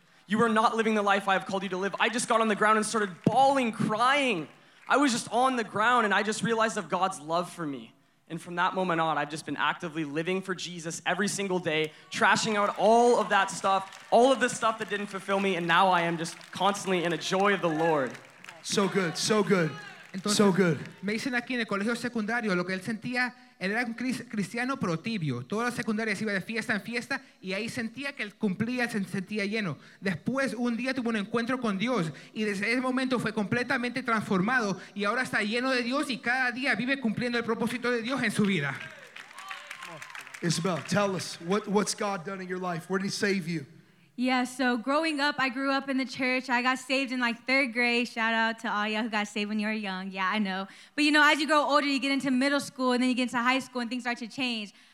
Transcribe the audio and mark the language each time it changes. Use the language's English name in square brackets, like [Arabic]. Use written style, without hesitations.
[English] You are not living the life I have called you to live. I just got on the ground and started bawling, crying. I was just on the ground, and I just realized of God's love for me. And from that moment on, I've just been actively living for Jesus every single day, trashing out all of that stuff, all of the stuff that didn't fulfill me, and now I am just constantly in a joy of the Lord. So good, so good. [Spanish] Entonces, [English] so good. [Spanish] Me dicen aquí en el colegio secundario lo que él sentía, él era un cristiano pero tibio. Todas las secundarias iba de fiesta en fiesta y ahí sentía que él cumplía, se sentía lleno. Después un día tuvo un encuentro con Dios y desde ese momento fue completamente transformado y ahora está lleno de Dios y cada día vive cumpliendo el propósito de Dios en su vida. [English] Isabel, tell us, what's God done in your life? Where did he save you? Yeah, so growing up, I grew up in the church. I got saved in like third grade. Shout out to all y'all who got saved when you were young. Yeah, I know. But you know, as you grow older, you get into middle school and then you get into high school and things start to change.